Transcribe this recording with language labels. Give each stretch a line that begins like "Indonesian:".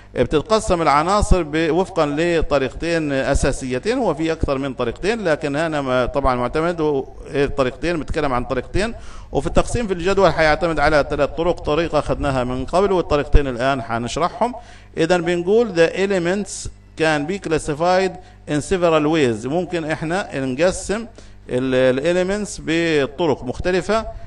Arabic: بتتقسم العناصر وفقا لطريقتين اساسيتين، هو في اكثر من طريقتين لكن انا طبعا معتمد الطريقتين، بتكلم عن طريقتين، وفي التقسيم في الجدول حيعتمد على ثلاث طرق، طريقة اخذناها من قبل والطريقتين الان حنشرحهم. اذا بنقول
English: the elements can be classified in several ways.
Arabic: ممكن احنا نقسم الاليمنتس بطرق مختلفة.